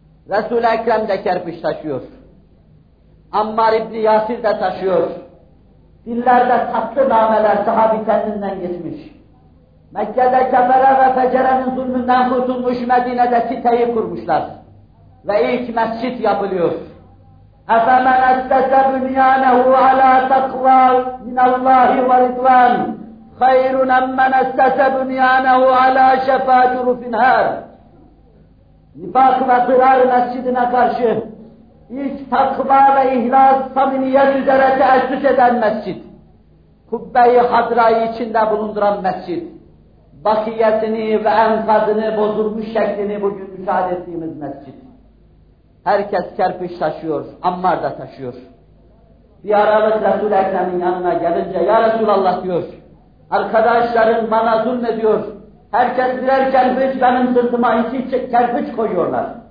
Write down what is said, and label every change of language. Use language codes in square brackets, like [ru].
[tr] Resul-i Ekrem de kerpiç taşıyor. Ammar İbni Yasir de taşıyor. Dillerde tatlı nameler sahabi kendinden geçmiş. Mekke'de kefere ve fecerenin zulmünden kurtulmuş, Medine'de siteyi kurmuşlar. Ve ilk mescit yapılıyor. [ar] اَفَمَنْ اَسْتَسَ بُنْيَانَهُ عَلَى تَقْوَى مِنَ اللّٰهِ وَرِضْوَانِ خَيْرٌ اَمَّنْ اَسْتَسَ بُنْيَانَهُ عَلَى شَفَى جُرُفٍ هَارٍ [tr] Nifak ve zırar mescidine karşı ilk takva ve ihlas, samimiyet üzere teessüs eden mescid. Kubbe-i Hadra'yı içinde bulunduran mescid. Bakiyetini ve enkazını bozulmuş şeklini bugün müşahede ettiğimiz mescid. Herkes kerpiç taşıyor, Ammar da taşıyor. Bir aralık Resul-i Ekrem'in yanına gelince, ya Resulallah diyor, arkadaşların bana zulmediyor, herkes birer kerpiç benim sırtıma iki kerpiç koyuyorlar.